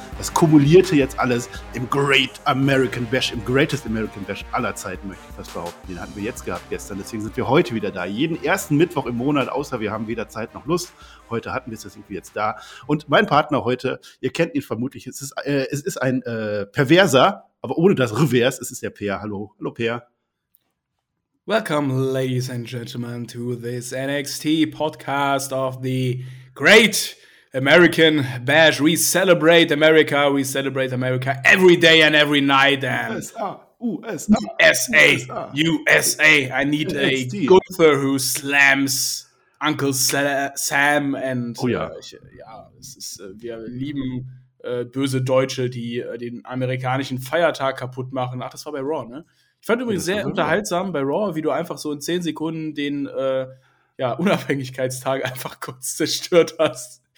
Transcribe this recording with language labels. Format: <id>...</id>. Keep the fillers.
<de>Das kumulierte jetzt alles im Great American Bash, im Greatest American Bash aller Zeiten, möchte ich fast behaupten. Den hatten wir jetzt gehabt gestern. Deswegen sind wir heute wieder da. Jeden ersten Mittwoch im Monat, außer wir haben weder Zeit noch Lust. Heute hatten wir es jetzt da. Und mein Partner heute, ihr kennt ihn vermutlich, es ist, äh, es ist ein äh, Perverser, aber ohne das Reverse, es ist der Peer. Hallo, hallo Peer.</de> <en>Welcome, ladies and gentlemen, to this NXT podcast of the Great American bash. We celebrate America. We celebrate America every day and every night. And USA, USA, USA. I need a golfer who slams Uncle Sam. And oh yeah, uh, yeah.</en> <de>Ja, es ist, uh, wir lieben uh, böse Deutsche, die uh, den amerikanischen Feiertag kaputt machen. Ach, das war bei Raw, ne? Ich fand das übrigens ja, sehr unterhaltsam cool. bei Raw, wie du einfach so in zehn Sekunden den, uh, ja, Unabhängigkeitstag einfach kurz zerstört hast.</de>